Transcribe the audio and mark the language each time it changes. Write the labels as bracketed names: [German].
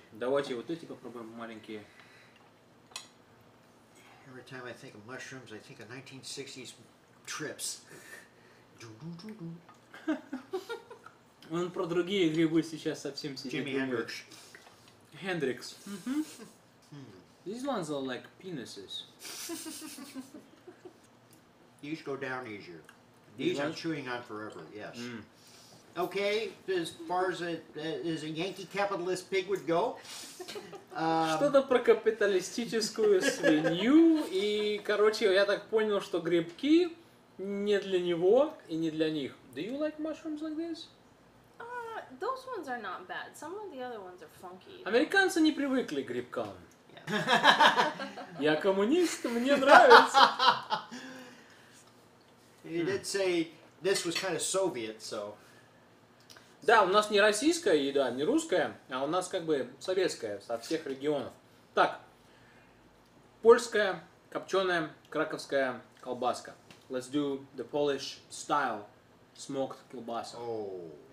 [Russian] Давайте вот эти попробуем маленькие. [English] Every time I think of mushrooms, I think of 1960s trips. [Russian] Он про другие грибы сейчас совсем сидит. [English] Jimi Hendrix. Hendrix. Mm-hmm. These ones are like penises. These go down easier. These I'm chewing on forever, yes. Mm. Okay, as far as a Yankee capitalist pig would go. [Russian] Что-то про капиталистическую свинью. И, короче, я так понял, что грибки не для него и не для них. [English] Do you like mushrooms like this? Those ones are not bad. Some of the other ones are funky. [Russian] Американцы не привыкли к грибкам. [English] Yeah. [Russian] Я коммунист, мне нравится. [English] He did say this was kind of Soviet, so. [Russian] Да, у нас не российская еда, не русская, а у нас как бы советская со всех регионов. Так, польская копченая краковская колбаска. [English] Let's do the Polish style smoked kielbasa. Oh,